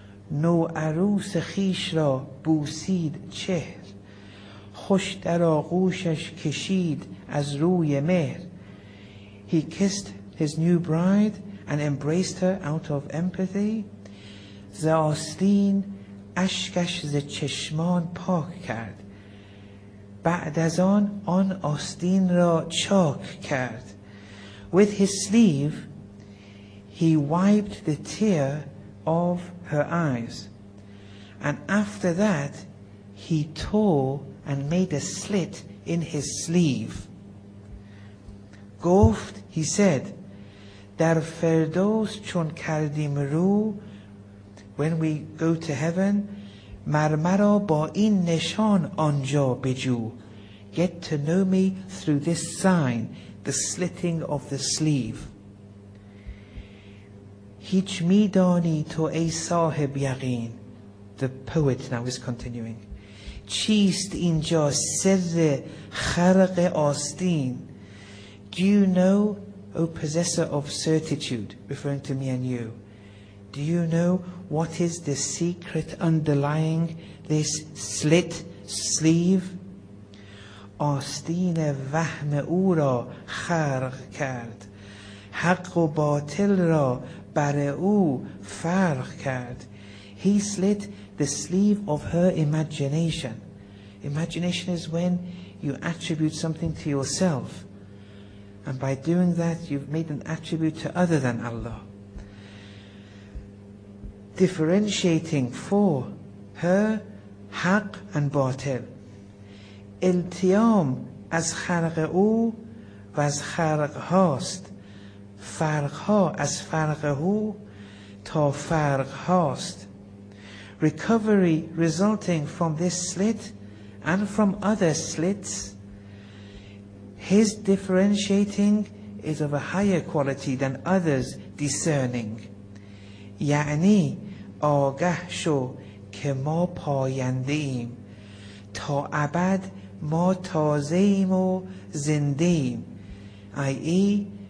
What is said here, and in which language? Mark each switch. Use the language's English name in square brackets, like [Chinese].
[Persian] نو عروس خیش را بوسید چهر، خوش در آغوشش کشید از روی مهر. [English] He kissed his new bride and embraced her out of empathy. [Persian] ز آستین اشکش ز چشمان پاک کرد، بعد از آن آن آستین را چاک کرد. [English] With his sleeve he wiped the tear of her eyes, and after that he tore and made a slit in his sleeve. [Persian] گفت، [English] he said, [Persian] در فردوس چون کردیم رو، [English] when we go to heaven، [Persian] مرمرا با این نشان آنجا بجو. [English] Get to know me through this sign, the slitting of the sleeve. [Persian] هیچ میدانی تو ای صاحب یقین، [English] the poet now is continuing، [Persian] چیست اینجا سر خرق آستین. [English] Do you know, O possessor of certitude, referring to me and you, do you know what is the secret underlying this slit sleeve? [Persian] آستین وهم او را خرق کرد، حق و باطل را بر او فرق کرد. [English] He slit the sleeve of her imagination. Imagination is when you attribute something to yourself, and by doing that you've made an attribute to other than Allah. Differentiating for her حق and باطل. [Persian] التیام از خرق او و از خرق هاست، فرق ها از فرق او تا فرق هاست. [English] Recovery resulting from this slit and from other slits, his differentiating is of a higher quality than others discerning. [Persian] یعنی آگه شو که ما پاینده ایم، تا ابد ما تازه ایم و زنده ایم. i.e.